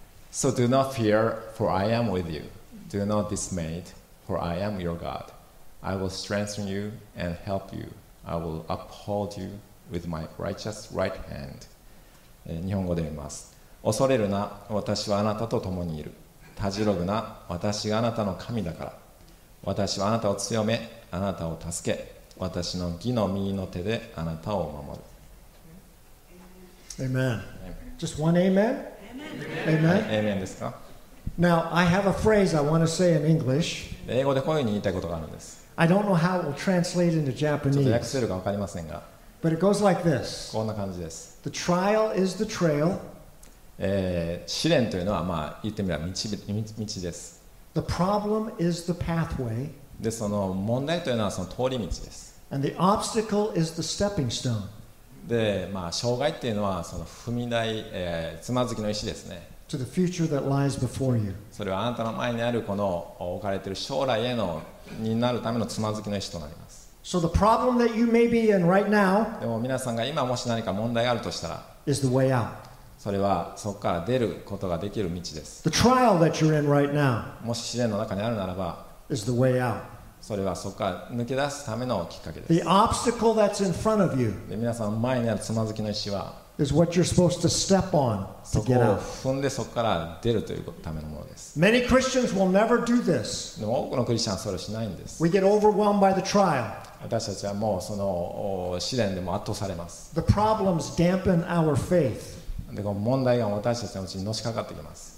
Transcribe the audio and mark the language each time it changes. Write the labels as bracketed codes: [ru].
[en] So do not fear, for I am with you. Do not be dismayed, for I am your God. I will strengthen you and help you. I will uphold you with my righteous right hand. [ja] 日本語で言います。恐れるな、私はあなたと共にいる。たじろぐな、私があなたの神だから。私はあなたを強め、あなたを助け。私の義の右の手であなたを守る。 [en] Amen. Just one amen? Amen. [ja] Amen. Amen ですか? [en] Now, I have a phrase I want to say in English. [ja] 英語でこういうふうに言いたいことがあるんです。 [en] I don't know how it will translate into Japanese. [ja] ちょっと訳せるか分かりませんが。 [en] But it goes like this. [ja] こんな感じです。 [en] The trial is the trail. [ja] 試練というのはまあ言ってみれば道です。 [en] The problem is the pathway. [ja] でその問題というのはその通り道です。 [en] And the obstacle is the stepping stone. [ja] で、まあ、障害というのはその踏み台、つまずきの石ですね。 [en] To the future that lies before you. [ja] それはあなたの前にあるこの置かれている将来へのになるためのつまずきの石となります。 [en] So the problem that you may be in right now. [ja] でも皆さんが今もし何か問題があるとしたら、 [en] is the way out. [ja] それはそこから出ることができる道です。 [en] The trial that you're in right now. [ja] もし試練の中にあるならば、 [en] is the way out. [ja] それはそこから抜け出すためのきっかけです。 [en] The obstacle that's in front of you. [ja] で皆さんの前にあるつまずきの石は、 [en] is what you're supposed to step on to get out. [ja] そこを踏んでそこから出るというためのものです。 [en] Many Christians will never do this. [ja] でも多くのクリスチャンはそれをしないんです。 [en] We get overwhelmed by the trial. [ja] 私たちはもうその試練でも圧倒されます。 [en] The problems dampen our faith. [ja] でこの問題が私たちのうちにのしかかってきます。